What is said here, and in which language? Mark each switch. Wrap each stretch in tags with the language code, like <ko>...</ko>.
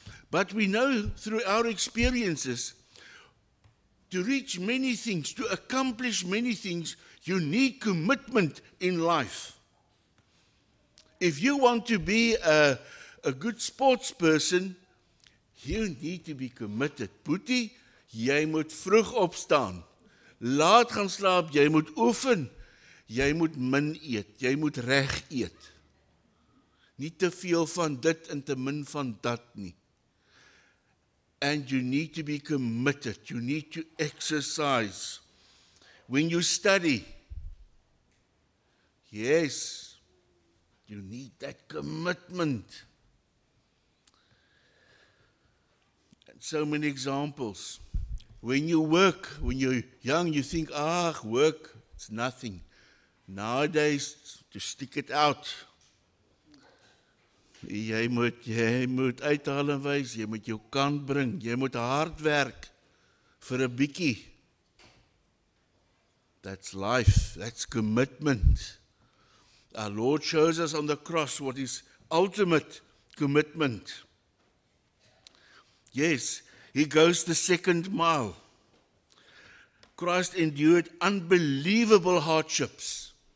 <en>But we know through our experiences, to reach many things, to accomplish many things, you need commitment in life. If you want to be a good sports person, you need to be committed.</en> <af>Boetie, jy moet vroeg opstaan. Laat gaan slaap, jy moet oefen. Jy moet min eet, jy moet reg eet. Nie te veel van dit en te min van dat nie.</af> <en>And you need to be committed. You need to exercise. When you study, yes, you need that commitment. And so many examples. When you work, when you're young, you think, work, it's nothing. Nowadays, to stick it out.</en> <af>Jy moet uithaal en wys, jy moet jou kant bring, jy moet hard werk vir 'n bietjie.</af> <en>That's life. That's commitment. Our Lord shows us on the cross what is ultimate commitment. Yes, he goes the second mile. Christ endured unbelievable hardships.</en>